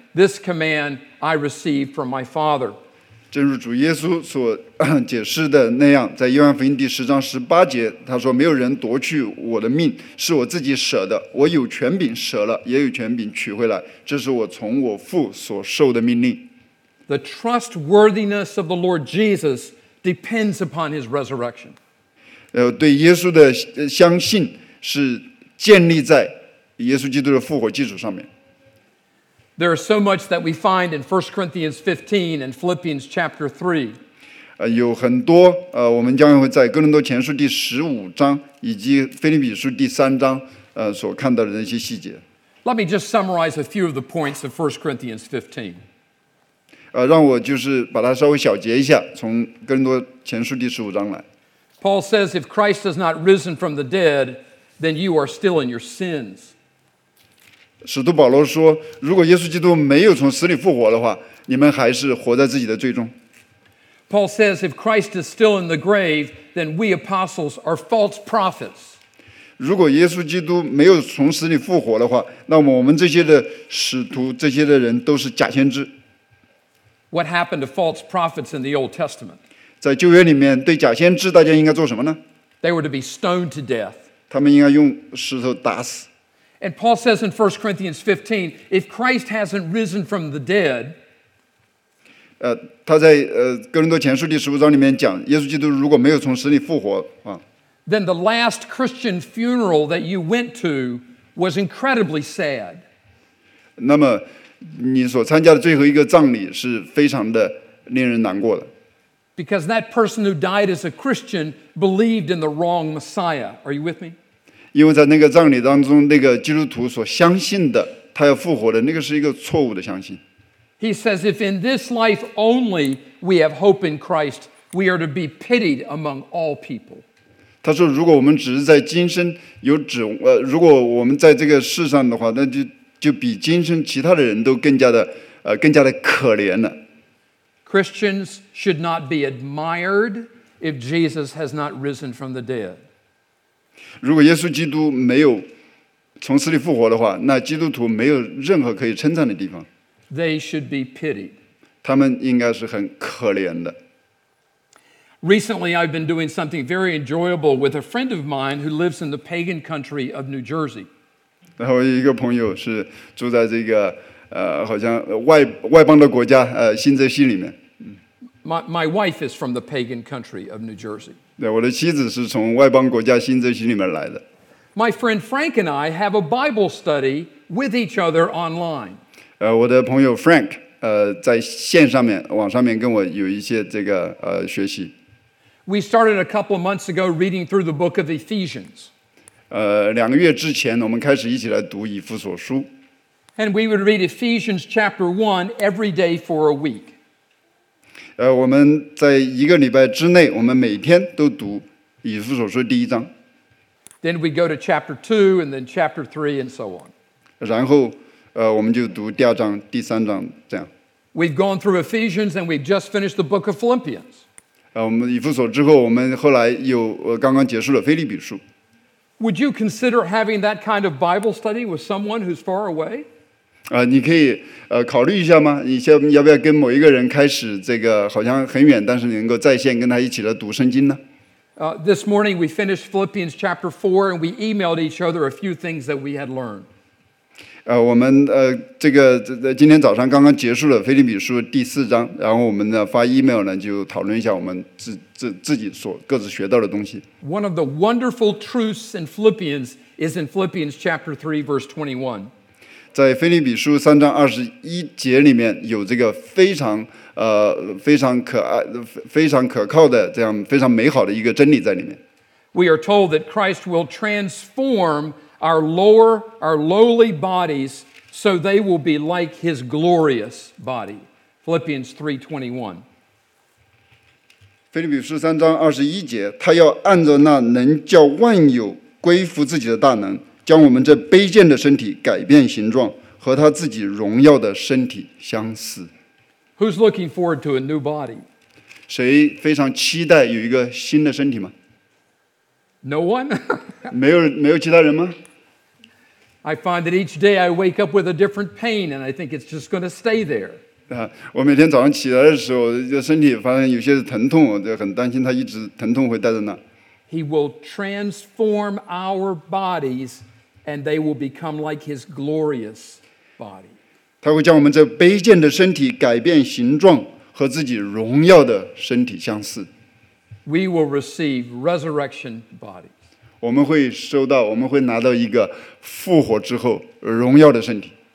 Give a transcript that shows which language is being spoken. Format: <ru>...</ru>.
<en>This command I received from my Father.</en> <zh>正如主耶稣所解释的那样，在约翰福音第十章十八节，他说：“没有人夺去我的命，是我自己舍的。我有权柄舍了，也有权柄取回来。这是我从我父所受的命令。”</zh> <en>The trustworthiness of the Lord Jesus depends upon his resurrection.</en> <zh>对耶稣的相信是建立在耶稣基督的复活基础上面。</zh> <en>There is so much that we find in 1 Corinthians 15 and Philippians chapter 3.</en> <zh>有很多我们将会在哥林多前书第十五章以及腓立比书第三章所看到的那些细节。</zh> <en>Let me just summarize a few of the points of 1 Corinthians 15.</en> <zh>让我就是把它稍微小结一下，从哥林多前书第十五章来。</zh> <en>Paul says, if Christ has not risen from the dead, then you are still in your sins.</en> <zh>使徒保罗说，如果耶稣基督没有从死里复活的话，你们还是活在自己的罪中。</zh> <en>Paul says, if Christ is still in the grave, then we apostles are false prophets.</en> <zh>如果耶稣基督没有从死里复活的话，那么我们这些的使徒，这些的人都是假先知。</zh> <en>What happened to false prophets in the Old Testament?</en> <zh>在旧约里面，对假先知，大家应该做什么呢？</zh> <en>They were to be stoned to death.</en> <zh>他们应该用石头打死。</zh> <en>And Paul says in 1 Corinthians 15, if Christ hasn't risen from the dead,</en> <zh>他在哥林多前书第十五章里面讲，耶稣基督如果没有从死里复活啊，</zh> <en>then the last Christian funeral that you went to was incredibly sad.</en> <zh>那么你所参加的最后一个葬礼是非常的令人难过的。</zh> <en>Because that person who died as a Christian believed in the wrong Messiah. Are you with me?</en> <zh>因为在那个葬礼当中，那个基督徒所相信的，他要复活的，那个是一个错误的相信。</zh> <en>He says, if in this life only we have hope in Christ, we are to be pitied among all people.</en> <zh>他说，如果我们只是在今生有指如果我们在这个世上的话，那就比今生其他的人都更加的可怜了。</zh> <en>Christians should not be admired if Jesus has not risen from the dead.</en> <zh>如果耶稣基督没有从死里复活的话，那基督徒没有任何可以称赞的地方。</zh> <en>They should be pitied.</en> <zh>他们应该是很可怜的。</zh> <en>Recently, I've been doing something very enjoyable with a friend of mine who lives in the pagan country of New Jersey.</en> <zh>然后一个朋友是住在这个好像外邦的国家新泽西里面。</zh> <en>My wife is from the pagan country of New Jersey.</en> <zh>对，我的妻子是从外邦国家新泽西里面来的。</zh> <en>My friend Frank and I have a Bible study with each other online.</en> <zh>我的朋友 Frank 在线上面网上面跟我有一些这个学习。</zh> <en>We started a couple of months ago reading through the book of Ephesians.</en> <zh>两个月之前我们开始一起来读以弗所书。</zh> <en>And we would read Ephesians chapter 1 every day for a week.</en> <zh>我们在一个礼拜之内，我们每天都读以弗所书第一章。</zh> <en>Then we go to chapter 2 and then chapter 3 and so on.</en> <zh>然后我们就读第二章、第三章这样。</zh> <en>We've gone through Ephesians and we've just finished the book of Philippians.</en> <zh>我们以弗所之后，我们后来又刚刚结束了腓立比书。</zh> <en>Would you consider having that kind of Bible study with someone who's far away?</en> <zh>你可以考虑一下吗？你先要不要跟某一个人开始这个好像很远，但是你能够在线跟他一起来读圣经呢？</zh> <en>This morning we finished Philippians chapter 4 and we emailed each other a few things that we had learned.</en> <zh>我们这个今天早上刚刚结束了腓立比书第四章，然后我们呢发 email 呢就讨论一下我们自己所各自学到的东西。</zh> <en>One of the wonderful truths in Philippians is in Philippians chapter 3 verse 21.</en> <zh>在腓立比书三章二十一节里面有这个非常可靠的这样非常美好的一个真理在里面。</zh> <en>We are told that Christ will transform our lowly bodies so they will be like his glorious body. Philippians 3:21.</en> <zh>腓立比书三章二十一节，他要按着那能叫万有归服自己的大能，将我们这卑贱的身体改变形状，和他自己荣耀的身体相似。</zh> <en>Who's looking forward to a new body?</en> <zh>谁非常期待有一个新的身体吗</zh> <en>？No one.</en> <zh>没有其他人吗</zh> <en>？I find that each day I wake up with a different pain, and I think it's just going to stay there.</en> <zh>我每天早上起来的时候，就身体发现有些疼痛，我就很担心他一直疼痛会待在那。</zh> <en>He will transform our bodies, and they will become like his glorious body.</en> <zh>他会将我们这卑贱的身体改变形状，和自己荣耀的身体相似。</zh> <en>We will receive resurrection bodies.</en> <zh>我们会收到，我们会拿到一个复活之后荣耀的身体。</zh>